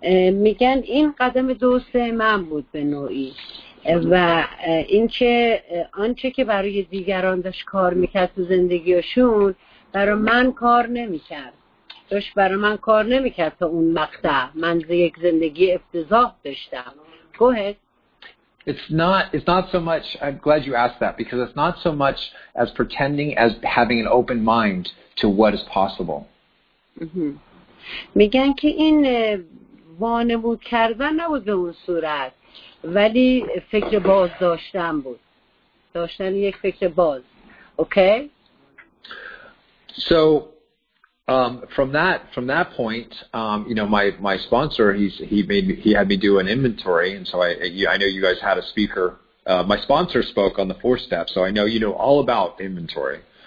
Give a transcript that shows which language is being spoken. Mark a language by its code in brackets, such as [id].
[fa] میگن این قدم دوسته من بود به نوعی و اینکه آنچه که برای دیگران داشت کار میکرد تو زندگیشون برای من کار نمیکرد. داشت برای من کار نمیکرد تا اون مقطع. من یک زندگی افتضاح داشتم. [en] Go ahead. It's not so much, I'm glad you asked that, because it's not so much as pretending as having an open mind to what is possible. [fa] میگن که این وانمود کردن نبود به اون صورت، ولی فکر باز داشتن بود. داشتن یک فکر باز. Okay? [en] So from that point, my sponsor, he had me do an inventory, and so I know you guys had a speaker. My sponsor spoke on the four steps, so I know you know all about inventory.